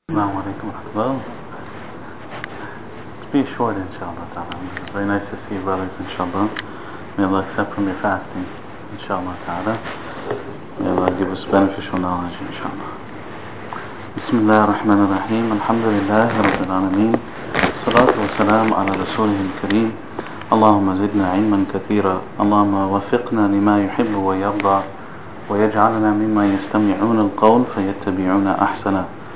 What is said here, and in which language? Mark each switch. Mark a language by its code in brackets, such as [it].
[ar] السلام عليكم ورحمة الله. [en] Speech word [ar] إن شاء الله تعالى. [en] Very nice to see you brothers [ar] إن شاء الله. [en] May Allah accept from your fasting [ar] إن شاء الله تعالى. [en] May Allah give us beneficial knowledge [ar] إن شاء الله. بسم الله الرحمن الرحيم. الحمد لله رب العالمين. الصلاة والسلام على رسوله الكريم. اللهم زدنا علما كثيرا. اللهم وفقنا لما يحب ويرضى. ويجعلنا مما يستمعون القول فيتبعون أحسنه.